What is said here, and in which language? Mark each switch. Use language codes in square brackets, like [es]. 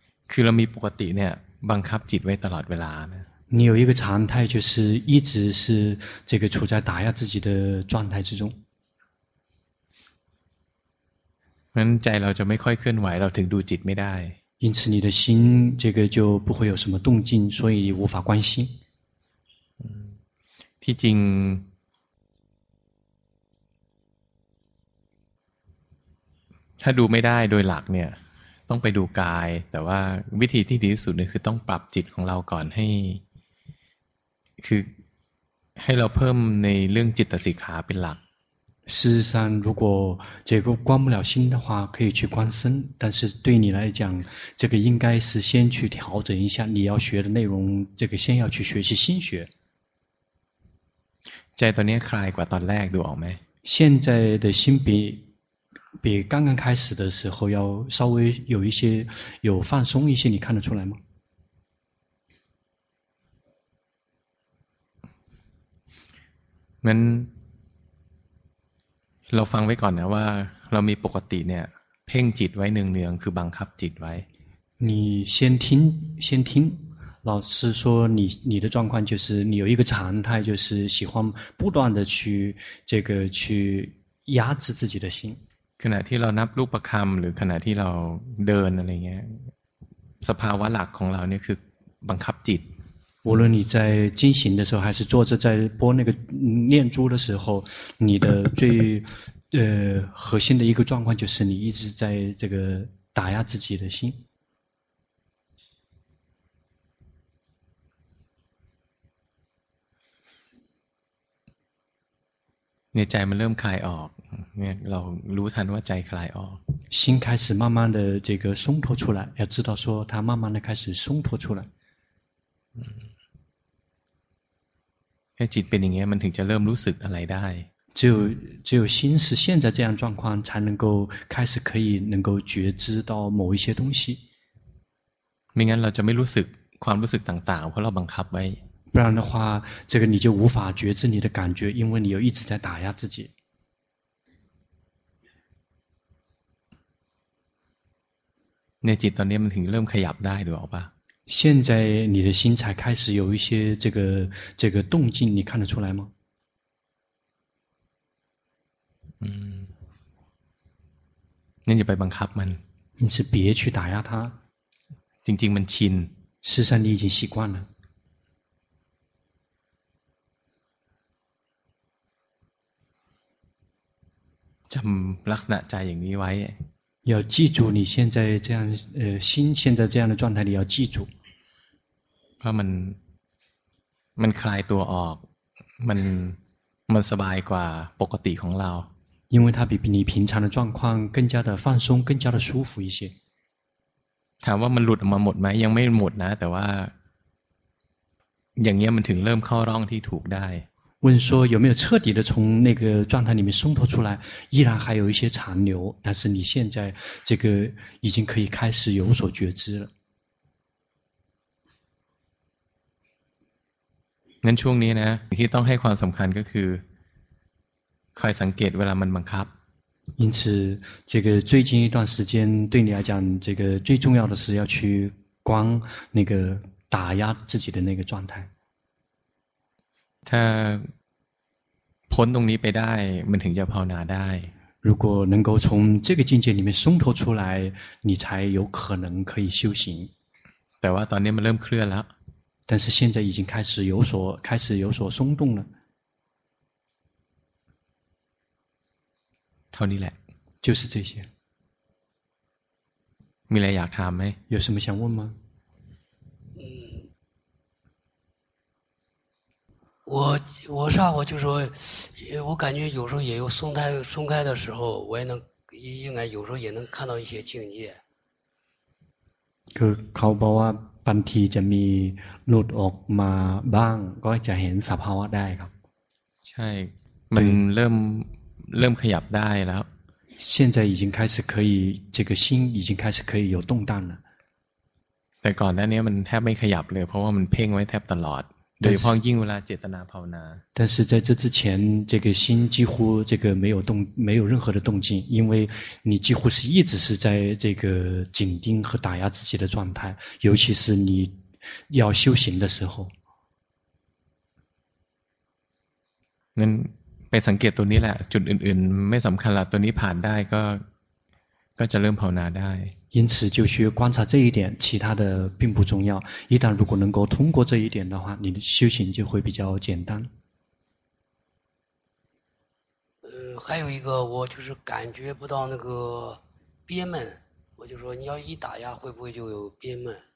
[th] คือเรามีปกติเนี่ยบังคับจิตไว้ตลอดเวลานะ [zh] 你有一个常态就是一直是这个处在打压自己的状态之中。 [th] งั้นใจเราจะไม่ค่อยเคลื่อนไหวเราถึงดูจิตไม่ได้ [zh] 因此你的心这个就不会有什么动静所以无法关心 [th] ที่จริงถ้าดูไม่ได้โดยหลักเนี่ยต้องไปดูกายแต่ว่าวิธีที่ดีที่สุดเนี่ยคือต้องปรับจิตของเราก่อนให้คือให้เราเพิ่มในเรื่องจิตสิกขาเป็นหลัก [zh] 事实上如果这个观不了心的话可以去观身但是对你来讲这个应该是先去调整一下你要学的内容这个先要去学习心学 [th] 在ตอนนี้คลายกว่าตอนแรกดูออกไหม [zh] 现在的心比刚刚开始的时候要稍微有一些有放松一些你看得出来吗 [th] งั้นเราฟังไว้ก่อนนะว่าเรามีปกติเนี่ยเพ่งจิตไว้เนืองๆคือบังคับจิตไว้ [zh] 你先听老师说你的状况就是你有一个常态就是喜欢不断的去这个去压制自己的心 [th] ขณะที่เรานับรูปคำหรือขณะที่เราเดินอะไรเงี้ยสภาวะหลักของเราเนี่ยคือบังคับจิต [zh] 无论你在进行的时候还是坐着在拨那个念珠的时候你的最核心的一个状况就是你一直在这个打压自己的心 [th] 你ใจมันเริ่มคลายออกเนี่ยเรารู้ทันว่าใจคลายออก [zh] 心开始慢慢的这个松脱出来要知道说它慢慢的开始松脱出来 [th] จิตเป็นอย่างนี้มันถึงจะเริ่มรู้สึกอะไรได้ [zh] 只有心是现在这样状况才能够开始可以能够觉知到某一些东西 [th] ไม่งั้นเราจะไม่รู้สึกความรู้สึกต่างๆเพราะเราบังคับไว้ [zh] 不然的话这个你就无法觉知你的感觉因为你又一直在打压自己 [th] ในจิตตอนนี้มันถึงเริ่มขยับได้หรือเปล่า [zh] 现在你的心才开始有一些这个动静，你看得出来吗？那就 [th] ไปบังคับมัน。 [zh] 你是别去打压它。 [th] จริงๆมันชิน。 [zh] 事实上你已经习惯了。 [th] จำลักษณะใจอย่างนี้ไว้。 [zh] 要记住你现在这样心现在这样的状态，你要记住。 [th] เพราะมันคลายตัวออกมันสบายกว่าปกติของเรา [zh] 因为它比你平常的状况更加的放松，更加的舒服一些。 [th] ถามว่ามันหลุดออกมาหมดไหมยังไม่หมดนะแต่ว่าอย่างเงี้ยมันถึงเริ่มเข้าร่องที่ถูกได้ [zh] 问说有没有彻底的从那个状态里面松脱出来依然还有一些残留但是你现在这个已经可以开始有所觉知了 [th] งั้นช่วงนี้นะที่ต้องให้ความสำคัญก็คือคอยสังเกตเวลามันบังคับ [zh] 因此这个最近一段时间对你来讲这个最重要的是要去观那个打压自己的那个状态 [th] ถ้าพ้นตรงนี้ไปได้มันถึงจะภาวนาได้ [zh] 如果能够从这个境界里面松脱出来你才有可能可以修行 [th] แต่ว่าตอนนี้มันเริ่มเคลื่อนแล้ว [zh] 但是现在已经开始有所松动了 [th] เท่านี้แหละ [zh] 就是这些 [th] มีอะไรอยากถามไหม [zh] 有什么想问吗我上午就说我感觉有时候也有松开的时候我也能应该有时候也能看到一些境界 [th] คือเขาบอกว่าบางทีจะมีหลุดออกมาบ้างก็จะเห็นสภาวะได้ครับ ใช่มันเริ่มขยับได้แล้ว [zh] 现在已经开始可以这个心已经开始可以有动荡了 [th] แต่ก่อนหน้านี้มันแทบไม่ขยับเลยเพราะว่ามันเพ่งไว้แทบตลอดโดยเฉพาะยิ่งเวลาเจตนาภาวนา [zh] 但是在这之前这个心几乎这个没有任何的动静因为你几乎是一直是在这个紧盯和打压自己的状态尤其是你要修行的时候 [th] นั่นไปสังเกตตัวนี้แหละจุดอื่นๆไม่สำคัญละตัวนี้ผ่านได้ก็จะเริ่มภาวนาได้ [zh] 因此就需要观察这一点其他的并不重要一旦如果能够通过这一点的话你的修行就会比较简单还有一个我就是感觉不到那个憋闷我就说你要一打压会不会就有憋闷